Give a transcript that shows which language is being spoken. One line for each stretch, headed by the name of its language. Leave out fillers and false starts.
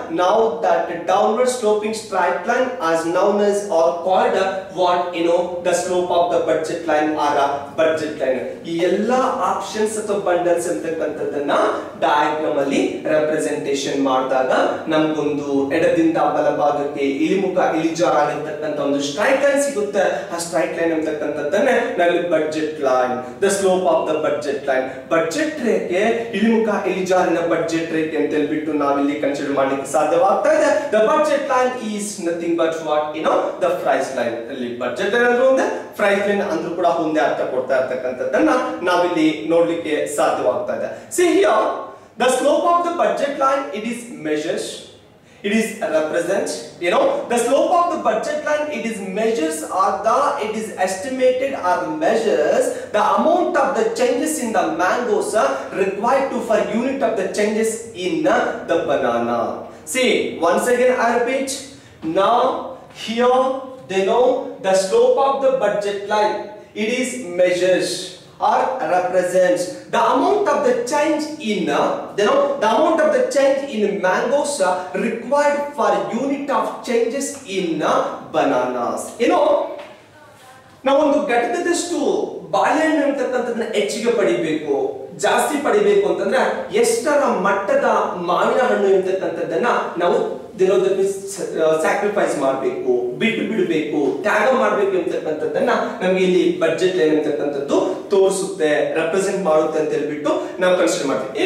English: Now that downward sloping straight line as known as or called what, you know, the slope of the budget line or a budget line.
Kannada: Ella options of bundles antakkantadanna diagram alli representation maadidaga ನಮ್ಗೊಂದು ಎಡದಿಂದ ಬಲಭಾಗಕ್ಕೆ ಇಳಿಮುಖ ಇಳಿಜಾರ ಆಗಿರ್ತಕ್ಕಂಥ ಒಂದು strike line ಸಿಗುತ್ತೆ. ಆ strike line ಅಂತಕ್ಕಂಥದ್ದನ್ನೇ ನಾವು budget line, the slope of the budget line, budget ರೇಖೆ ಇಳಿಮುಖ ಇಳಿಜಾರಿನ ಬಜೆಟ್ ರೇಖೆ ಅಂತ ಹೇಳ್ಬಿಟ್ಟು ನಾವಿಲ್ಲಿ ಕನ್ಸಿಡರ್ ಮಾಡ್ಲಿಕ್ಕೆ ಸಾಧ್ಯವಾಗ್ತಾ ಇದೆ.
English: the budget line is nothing but what you know the price line,
Kannada: ಅಲ್ಲಿ ಬಜೆಟ್ ಲೈನ್ ಅಂದ್ರೆ ಒಂದೇ, ಪ್ರೈಸ್ ಲೈನ್ ಅಂದ್ರೂ ಕೂಡ ಒಂದೇ ಅರ್ಥ ಕೊಡ್ತಾ ಇರ್ತಕ್ಕಂಥದ್ದನ್ನ ನಾವಿಲ್ಲಿ ನೋಡ್ಲಿಕ್ಕೆ ಸಾಧ್ಯವಾಗ್ತಾ ಇದೆ.
English: See here the slope of the budget line, it is measures, it is represent, you know, the slope of the budget line, it is measures or the it is estimated or measures the amount of the changes in the mangoes required to for unit of the changes in the banana. See, once again I repeat, now here they know the slope of the budget line, it is measures or represents the amount of the change in the amount of the change in mangoes required for unit of changes in bananas. You know,
Kannada: ನಾವು ಒಂದು ಘಟಕದಷ್ಟು ಬಾಳೆಹಣ್ಣು ಅಂತಕ್ಕಂಥದ್ದನ್ನ ಹೆಚ್ಚಿಗೆ ಪಡಿಬೇಕು, ಜಾಸ್ತಿ ಪಡಿಬೇಕು ಅಂತಂದ್ರೆ ಎಷ್ಟರ ಮಟ್ಟದ ಮಾವಿನ ಹಣ್ಣು ಇರ್ತಕ್ಕಂಥದ್ದನ್ನ ನಾವು ದಿನೋದಕ್ಕೆ ಸ್ಯಾಕ್ರಿಫೈಸ್ ಮಾಡಬೇಕು, ಬಿಟ್ಟು ಬಿಡಬೇಕು, ತ್ಯಾಗ ಮಾಡಬೇಕು ಅಂತಕ್ಕಂಥದ್ದನ್ನ ನಮ್ಗೆ ಇಲ್ಲಿ ಬಜೆಟ್ ಲೈನ್ ಅಂತಕ್ಕಂಥದ್ದು ತೋರಿಸುತ್ತೆ, ರೆಪ್ರೆಸೆಂಟ್ ಮಾಡುತ್ತೆ ಅಂತ ಹೇಳ್ಬಿಟ್ಟು ನಾವು ಕನ್ಸಿಡರ್ ಮಾಡ್ತೀವಿ.